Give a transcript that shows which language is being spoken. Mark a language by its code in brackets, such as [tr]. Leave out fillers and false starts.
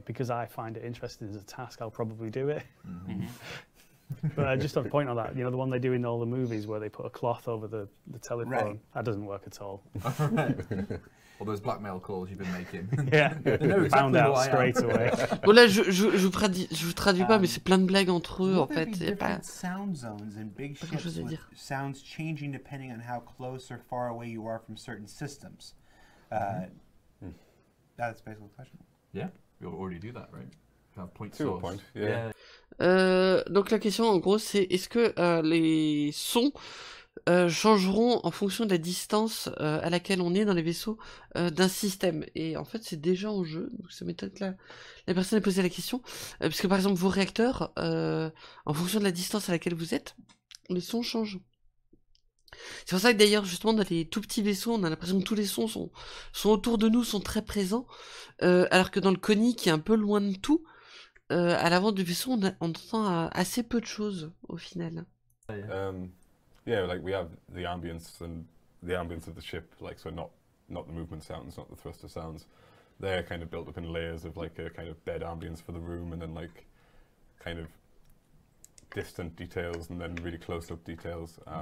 [en] Because I find it interesting as a task, I'll probably do it. But just a point on that, you know, the one they do in all the movies where they put a cloth over the telephone, right. That doesn't work at all. All those blackmail calls you've been making. Yeah, exactly found out straight away. [fr] Well, là, je vous traduis pas, mais c'est plein de blagues entre eux, en fait. Different pas... [en] sound zones and big ships with sounds changing depending on how close or far away you are from certain systems. That's basically the question. Yeah, you'll already do that, right? Have point to source. A point. Yeah. [fr] Donc la question en gros c'est est-ce que les sons changeront en fonction de la distance à laquelle on est dans les vaisseaux d'un système, et en fait c'est déjà en jeu, donc ça m'étonne que la personne ait posé la question, parce que par exemple vos réacteurs, en fonction de la distance à laquelle vous êtes, les sons changent. C'est pour ça que d'ailleurs justement dans les tout petits vaisseaux on a l'impression que tous les sons sont autour de nous, sont très présents, alors que dans le Coni qui est un peu loin de tout, à l'avant du vaisseau, on entend assez peu de choses au final. [en] Yeah, like we have the ambience and the ambience of the ship, like so not the movement sounds, not the thruster sounds. They're kind of built up in layers of like a kind of bed ambience for the room, and then like kind of distant details, and then really close up details.